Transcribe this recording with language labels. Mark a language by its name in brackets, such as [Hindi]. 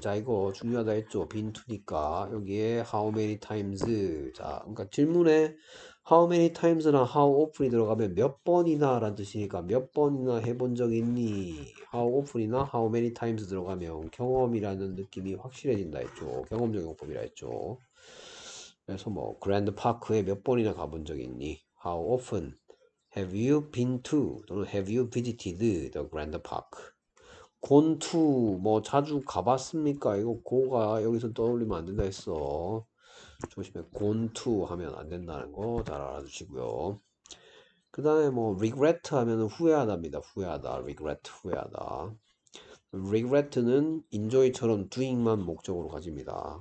[Korean] 자, 이거 중요하다 했죠. been to니까 여기에 how many times 자, 그러니까 질문에 [English] How many times [Korean] 나 how often이 들어가면 몇 번이나라는 뜻이니까 몇 번이나 해본 적 있니? How often이나 how many times 들어가면 경험이라는 느낌이 확실해진다 했죠. 경험적 용법이라 했죠. 그래서 뭐 그랜드 파크에 몇 번이나 가본 적 있니? [English] How often have you been to 또는 have you visited the grand park? [Korean] Gone to 뭐 자주 가봤습니까? 이거 go가 여기서 떠올리면 안 된다 했어. 조심해. gone to 하면 안 된다는 거잘 알아주시고요. 그 다음에 뭐 regret 하면 후회하답니다. 후회하다. regret 후회하다. regret는 enjoy처럼 doing만 목적으로 가집니다.